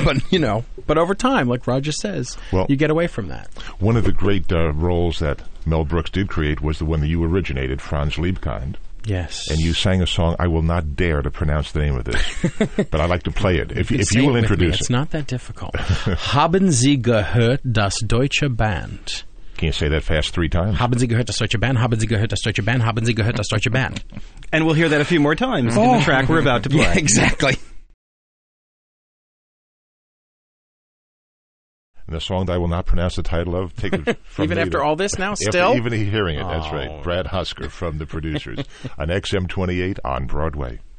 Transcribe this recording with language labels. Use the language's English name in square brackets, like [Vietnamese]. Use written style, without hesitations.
[English] But, you know, but over time, like Roger says, well, you get away from that. One of the great roles that Mel Brooks did create was the one that you originated, Franz Liebkind. Yes. And you sang a song, I will not dare to pronounce the name of this, but I like to play it. If you will introduce it. It's not that difficult. [German] Haben Sie gehört das Deutsche Band? [English] Can you say that fast 3 times? [German] Haben Sie gehört, das deutsche Band? Haben Sie gehört, das deutsche Band? Haben Sie gehört, das deutsche Band? [English] And we'll hear that a few more times in the track we're about to play. Yeah, exactly. And the song that I will not pronounce the title of, take it from even the, after all this now, still? Even hearing it, that's right. Brad Husker from The Producers on XM28 on Broadway.